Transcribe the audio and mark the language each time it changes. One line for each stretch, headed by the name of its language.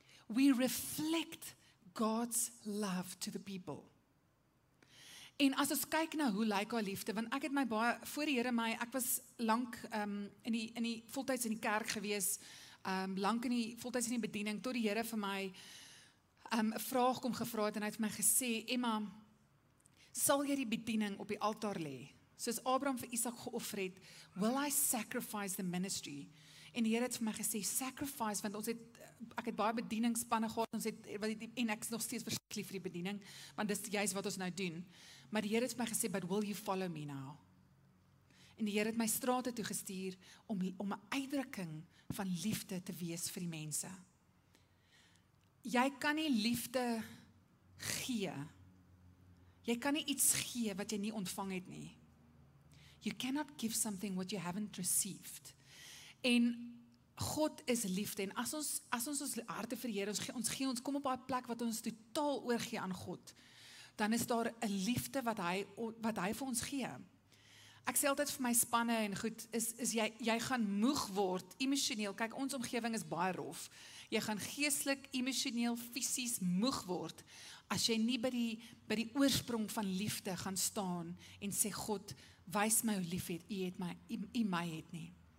English: We reflect God's love to the people.
Afrikaans: En as ons kyk na hoe lyk haar liefde, want ek het my baie, voor die Here my, ek was lank in die voltyds in die kerk gewees, lank in die voltyds in die bediening, tot die Here vir my vraag kom gevra het, en hy het my gesê, Emma, sal jy die bediening op die altaar lê? Soos Abraham vir Isaac geoffer het,
English: will I sacrifice the ministry?
Afrikaans: En die Here het vir my gesê, sacrifice, want ek het baie bedieningspanne gehad, en ek is nog steeds verskrikkelijk vir die bediening, want dis juist wat ons nou doen. Maar die Here het my gesê,
English: but will you follow me now?
Afrikaans: En die Here het my strate toe gestuur om 'n uitdrukking van liefde te wees vir die mense. Jy kan nie liefde gee. Jy kan nie iets gee wat jy nie ontvang het nie.
English: You cannot give something what you haven't received.
Afrikaans: En God is liefde. En as ons harte vir die Here, ons kom op 'n plek wat ons totaal oorgee aan God, dan is daar 'n liefde wat hy vir ons gee. Ek sê altyd vir my spanne en goed, is jy gaan moeg word, emosioneel, kyk ons omgewing is baie rof, jy gaan geestelik, emosioneel, fisies moeg word, as jy nie by die oorsprong van liefde gaan staan en sê, God, wys my hoe lief het, u my het nie.